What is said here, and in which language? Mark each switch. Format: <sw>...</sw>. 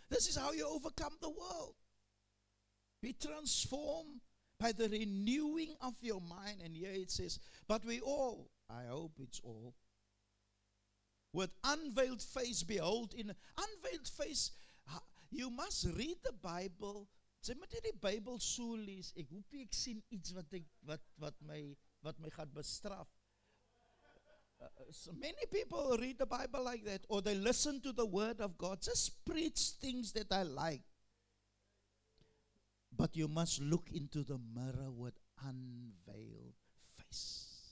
<en>This is how you overcome the world. Be transformed by the renewing of your mind. And here it says, but we all, I hope it's all, with unveiled face behold. In unveiled face, you must read the Bible.</en> <af>Sê moet jy die Bybel so lees, ek hoop ek sien iets wat my gaat bestraf.</af> <en>So many people read the Bible like that, or they listen to the word of God. Just preach things that I like. But you must look into the mirror with unveiled face.</en>